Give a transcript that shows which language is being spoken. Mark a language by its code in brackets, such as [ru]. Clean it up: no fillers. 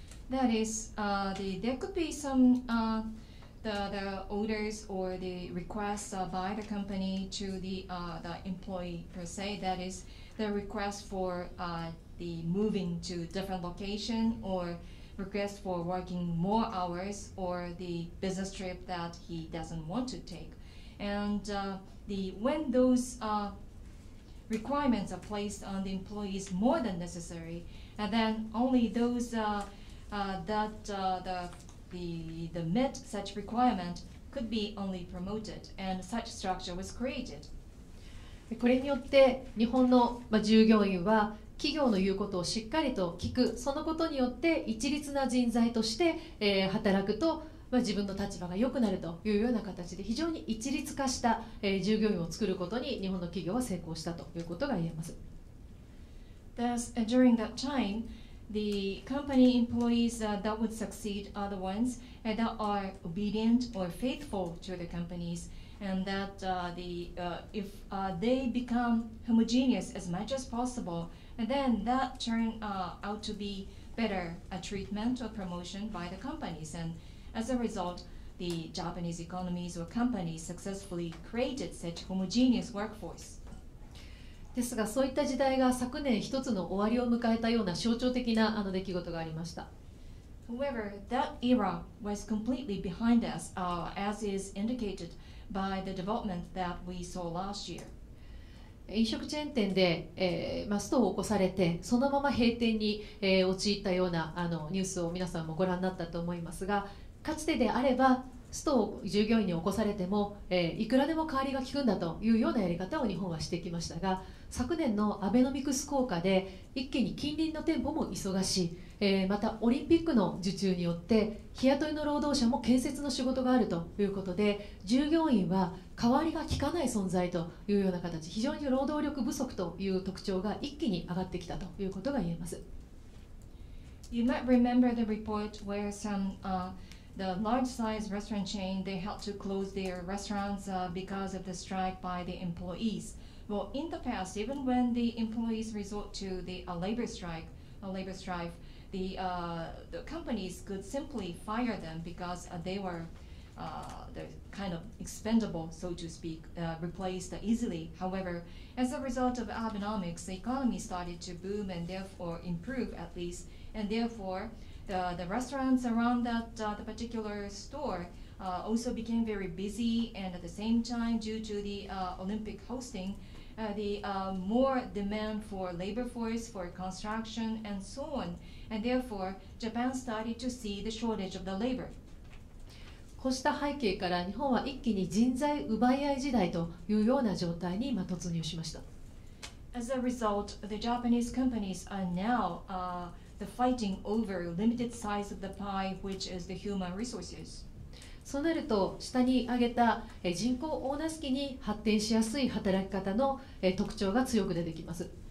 [en] That is, there could be some, the orders or the requests by the company to the employee per se, that is the request for the moving to different location or request for working more hours or the business trip that he doesn't want to take. And when those requirements are placed on the employees more than necessary, and then only those the met such requirement could be only promoted, and such structure was created. [ja] これによって日本の従業員は企業の言うことをしっかりと聞く、そのことによって一律な人材として働くと自分の立場が良くなるというような形で、非常に一律化した従業員を作ることに日本の企業は成功したということが言えます。 [en] Thus, during that timeThe company employees that would succeed are the ones that are obedient or faithful to the companies, and that if they become homogeneous as much as possible, and then that turn out to be better treatment or promotion by the companies. And as a result, the Japanese economies or companies successfully created such homogeneous workforce. [ja] ですが、そういった時代が昨年一つの終わりを迎えたような象徴的な出来事がありました。 [en] However, that era was completely behind us, as is indicated by the development that we saw last year. [ja] 飲食チェーン店で、ストを起こされて、そのまま閉店に、陥ったようなニュースを皆さんもご覧になったと思いますが、かつてであれば、ストを従業員に起こされても、いくらでも代わりが効くんだというようなやり方を日本はしてきましたが、昨年のアベノミクス効果で一気に近隣の店舗も忙しい、またオリンピックの受注によって日雇いの労働者も建設の仕事があるということで、従業員は代わりが効かない存在というような形、非常に労働力不足という特徴が一気に上がってきたということが言えます。 [en] You might remember the report where some, the large size restaurant chain, they had to close their restaurants because of the strike by the employees. Well, in the past, even when the employees resort to the labor strike, labor strife, the companies could simply fire them because they were kind of expendable, so to speak, replaced easily. However, as a result of Abenomics, the economy started to boom and therefore improve at least, and therefore the restaurants around that the particular store also became very busy, and at the same time, due to the Olympic hosting, more demand for labor force, for construction, and so on. And therefore, Japan started to see the shortage of the labor. [ja] こうした背景から日本は一気に人材奪い合い時代というような状態に今突入しました。 [en] As a result, the Japanese companies are now the fighting over limited size of the pie, which is the human resources. [ja] そうなると下に挙げた人口オーナス期に発展しやすい働き方の特徴が強く出てきます。